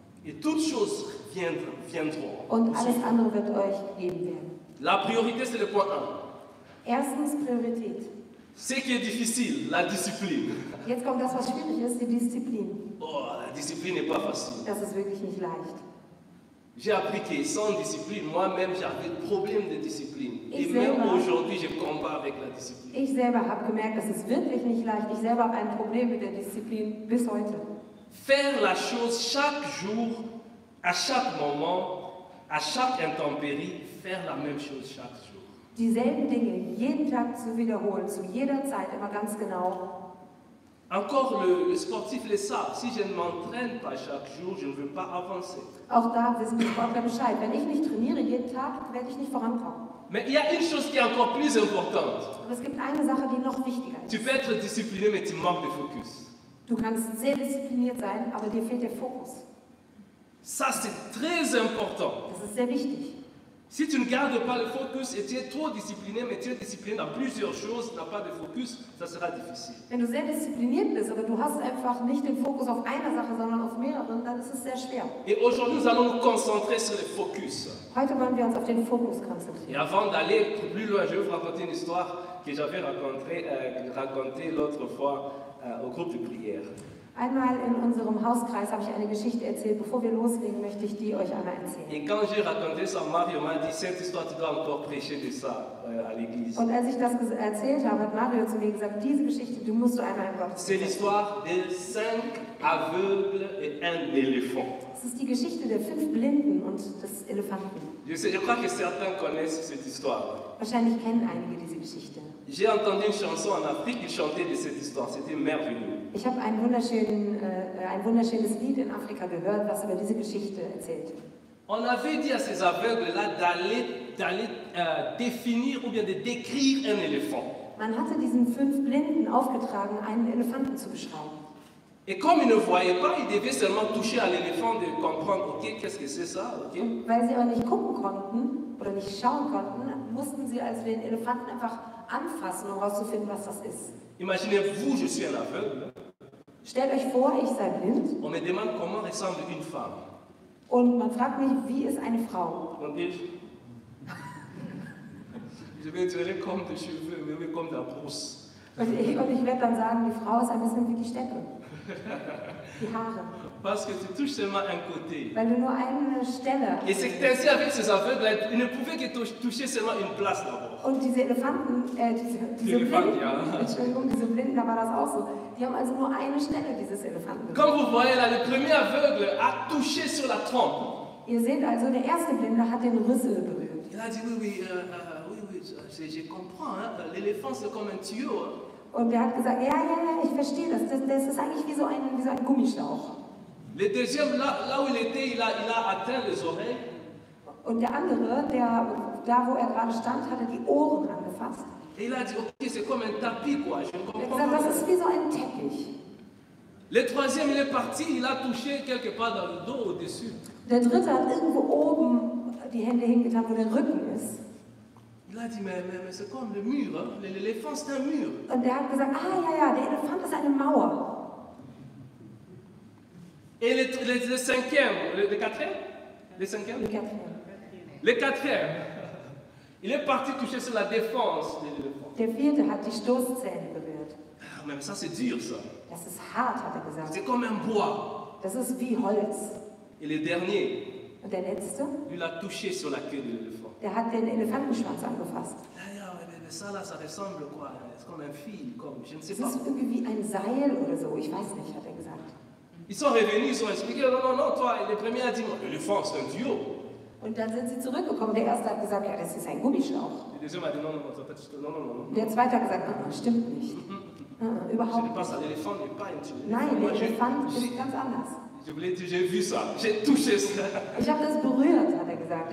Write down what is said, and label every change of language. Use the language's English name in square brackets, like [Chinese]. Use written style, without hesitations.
[French] Et toutes choses viendront. [German] Und alles andere wird euch gegeben werden. [French] La priorité, c'est le point 1. [German] Erstens Priorität. [French] Ce qui est difficile, la discipline. [German] Jetzt kommt das, was schwierig ist, die Disziplin. [French] Oh, la discipline n'est pas facile. [German] Das ist wirklich nicht leicht. [French] J'ai appris que sans discipline, moi-même j'avais problème de discipline. Et même aujourd'hui, je combat avec la discipline. [German] Ich selber habe gemerkt, das ist wirklich nicht leicht. Ich selber habe ein Problem mit der Disziplin bis heute. [French] Faire la chose chaque jour, à chaque moment, à chaque intempérie, faire la même chose chaque jour. [German] Dieselben Dinge jeden Tag zu wiederholen, zu jeder Zeit, immer ganz genau. [French] Encore le sportif le sait. Si je ne m'entraîne pas chaque jour, je ne veux pas avancer. [German] Auch da wissen die Sportler Bescheid. Wenn ich nicht trainiere jeden Tag, werde ich nicht vorankommen. [French] Mais il y a une chose qui est encore plus importante. [German] Aber es gibt eine Sache, die noch wichtiger ist. [French] Tu peux être discipliné, mais tu manques de focus. [German] Du kannst sehr diszipliniert sein, aber dir fehlt der Fokus. [French] Ça, c'est très important. [German] Das ist sehr wichtig. [French] Si tu ne gardes pas le focus et tu es trop discipliné, mais tu es discipliné dans plusieurs choses, tu n'as pas de focus, ça sera difficile. [German] Wenn du sehr diszipliniert bist, aber du hast einfach nicht den Fokus auf einer Sache, sondern auf mehreren, dann ist es sehr schwer. [French] Et aujourd'hui, nous allons nous concentrer sur le focus. [German] Heute wollen wir uns auf den Fokus konzentrieren. [French] Et avant d'aller plus loin, je vais vous raconter une histoire que j'avais racontée l'autre fois au groupe de prière. [German] Einmal in unserem Hauskreis habe ich eine Geschichte erzählt. Bevor wir loslegen, möchte ich die euch einmal erzählen. [French] Et quand j'ai raconté ça, Mario m'a dit, cette histoire, tu dois encore prêcher de ça à l'église. [German] Und als ich das erzählt habe, hat Mario zu mir gesagt, diese Geschichte, du musst du einmal im Gottesdienst erzählen. [French] C'est l'histoire des cinq aveugles et un éléphant. [German] Es ist die Geschichte der fünf Blinden und des Elefanten. [French] Je crois que certains connaissent cette histoire. [German] Wahrscheinlich kennen einige diese Geschichte. [French] J'ai entendu une chanson en Afrique qui chantait de cette histoire. C'était merveilleux. [German] Ich habe ein wunderschönes Lied in Afrika gehört, was über diese Geschichte erzählt. [French] On avait dit à ces aveugles-là d'aller définir ou bien de décrire un éléphant. [German] Man hatte diesen fünf Blinden aufgetragen, einen Elefanten zu beschreiben. [French] Et comme ils ne voyaient pas, ils devaient seulement toucher à l'éléphant de comprendre, ok, qu'est-ce que c'est ça, ok. [German] Weil sie aber nicht gucken konnten oder nicht schauen konnten, mussten sie also den Elefanten einfach anfassen, um herauszufinden, was das ist. [French] Imaginez-vous, je suis un aveugle. [German] Stellt euch vor, ich sei blind. On me demande comment ressemble une femme. Und man fragt mich, wie ist eine Frau? Und ich? [French] Je vais dire comme des cheveux, mais oui, comme la brosse. [German] Und ich werde dann sagen, die Frau ist ein bisschen wie die Steppe. Die Haare. [French] Parce que tu touches seulement un côté. [German] Weil du nur eine Stelle. [French] Et c'est ainsi avec ces aveugles, ils ne pouvaient que toucher seulement une place d'abord. [German] Und diese Elefanten, diese Blinden, da war das auch so. Die haben also nur eine Stelle, dieses Elefanten. [French] Comme vous voyez là, le premier aveugle a touché sur la trompe. [German] Ihr seht also, der erste Blinde hat den Rüssel berührt. [French] Il a dit oui, je comprends, hein. L'éléphant c'est comme un tuyau. [German] Und der hat gesagt, ja, ich verstehe das. Das ist eigentlich wie so ein Gummischlauch. [French] Le deuxième, là où il était, il a atteint les oreilles. [German] Und der andere, der da, wo er gerade stand, hat er die Ohren angefasst. [French] Et il a dit, okay, c'est comme un tapis, quoi. Je comprends. [German] Er hat gesagt, das ist wie so ein Teppich. [French] Le troisième, il est parti, il a touché quelque part dans le dos, au-dessus. [German] Der dritte hat irgendwo oben die Hände hingetan, wo der Rücken ist. [French] Il a dit, mais c'est comme le mur, hein? L'éléphant, c'est un mur. [German] Und er hat gesagt, ja, der Elefant ist eine Mauer. [French] Et le cinquième, le quatrième? Le cinquième? Le quatrième. Le quatrième, il est parti toucher sur la défense de l'éléphant. [German] Der vierte hat die Stoßzähne berührt. [French] Mais ça, c'est dur, ça. [German] Das ist hart, hat er gesagt. [French] C'est comme un bois. [German] Das ist wie Holz. [French] Et le dernier, [German] und der letzte? [French] Il a touché sur la queue de l'éléphant. [German] Der hat den Elefantenschwanz angefasst. Das ist irgendwie wie ein Seil oder so. Ich weiß nicht, hat er gesagt. [French] Ils sont revenus, ils sont expliqués. Non, toi, le premier a dit, non, l'éléphant, c'est un duo. [German] Und dann sind sie zurückgekommen. Der erste hat gesagt, ja, das ist ein Gummischlauch. Der zweite hat gesagt, nein, stimmt nicht. Überhaupt nicht. Nein, der Elefant ist ganz anders. Ich habe das berührt, hat er gesagt.